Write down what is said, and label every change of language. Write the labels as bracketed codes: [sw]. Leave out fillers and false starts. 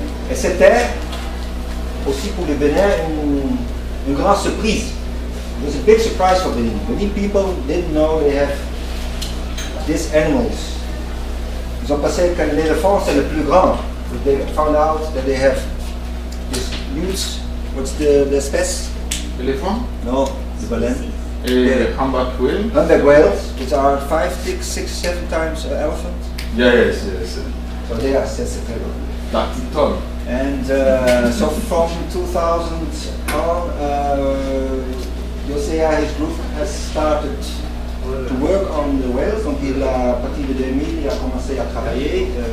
[fr] Et c'était aussi pour le Bénin une grande surprise. [en] It was a big surprise for Benin. Benin people didn't know they have these animals. [fr] Ils ont pensé que l'éléphant c'est le plus grand. [en] But they found out that they have this huge, what's the species? Elephant? No, the baleen. Humpback whale? Humpback whales, which are 5, 6, 7 times an elephant. Yes. So they are sensitive. That's a ton. And so from 2000 on, Yosea, his group, has started to work on the whales. [fr] Donc il a, à partir de 2000, il a commencé à travailler.